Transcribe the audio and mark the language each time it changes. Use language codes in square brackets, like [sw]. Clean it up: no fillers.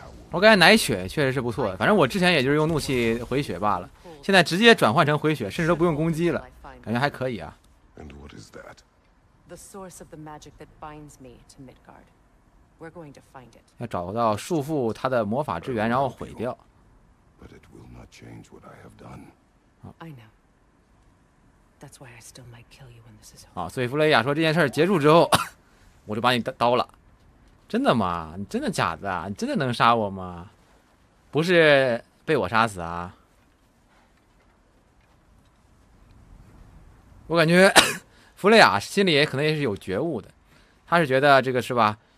[zh] 我感觉奶血确实是不错的，反正我之前也就是用怒气回血罢了，现在直接转换成回血，甚至都不用攻击了，感觉还可以啊。 [en] And what is that? The source of the magic that binds me to Midgard. We're going to find it. [zh] 要找到束缚他的魔法之源，然后毁掉。 [en] But it will not change what I have done. I know. That's why I still might kill you when this is over. [zh] 所以弗雷亚说这件事结束之后，我就把你刀了。真的吗？你真的假的？你真的能杀我吗？不是被我杀死啊！我感觉弗雷亚心里也可能也是有觉悟的，他是觉得这个是吧？